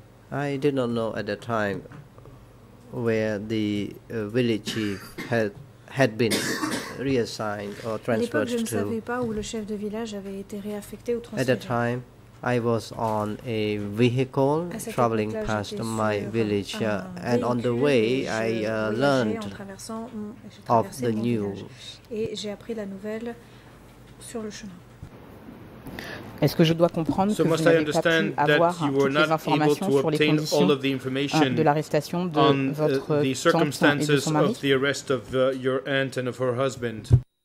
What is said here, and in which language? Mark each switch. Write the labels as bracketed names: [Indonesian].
[English] I did not know at the time where the village chief had been reassigned or transferred to. [French] Je ne savais pas où le chef de village avait été réaffecté ou transféré. [English] At that time, I was on a vehicle traveling past my village, and on the way, I learned of the news. [French] Et j'ai appris la nouvelle sur le chemin. Est-ce que je dois comprendre que vous n'avez pas pu avoir toutes les informations sur les conditions de l'arrestation de votre tante et de son mari? [English] Of the arrest of your aunt and of her husband.